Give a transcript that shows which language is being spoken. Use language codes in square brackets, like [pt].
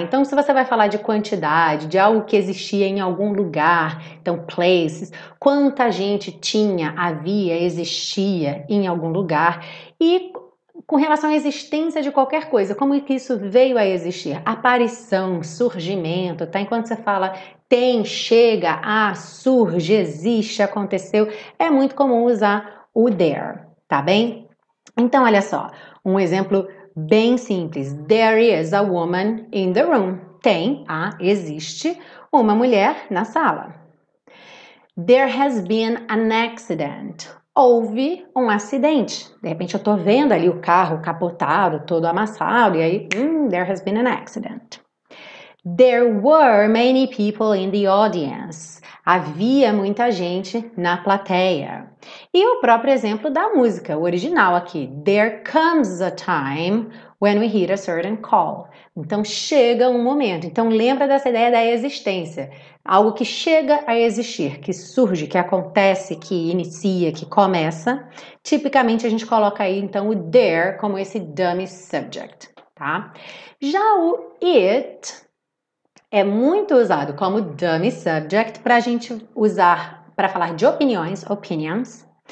[pt] Então, se você vai falar de quantidade, de algo que existia em algum lugar, então places, quanta gente tinha, havia, existia em algum lugar, e com relação à existência de qualquer coisa, como que isso veio a existir? Aparição, surgimento, tá? Enquanto você fala tem, chega, surge, existe, aconteceu, é muito comum usar o there, tá bem? Então, olha só, um exemplo bem simples. [en] There is a woman in the room. [pt] Tem, existe uma mulher na sala. [en] There has been an accident. [pt] Houve um acidente. De repente eu tô vendo ali o carro capotado, todo amassado, e aí, [en] there has been an accident. There were many people in the audience. [pt] Havia muita gente na plateia. E o próprio exemplo da música, o original aqui. [en] There comes a time when we hit a certain call. [pt] Então chega um momento. Então lembra dessa ideia da existência. Algo que chega a existir, que surge, que acontece, que inicia, que começa. Tipicamente a gente coloca aí então o there como esse dummy subject, tá? Já o it é muito usado como dummy subject para a gente usar para falar de opiniões, opinions.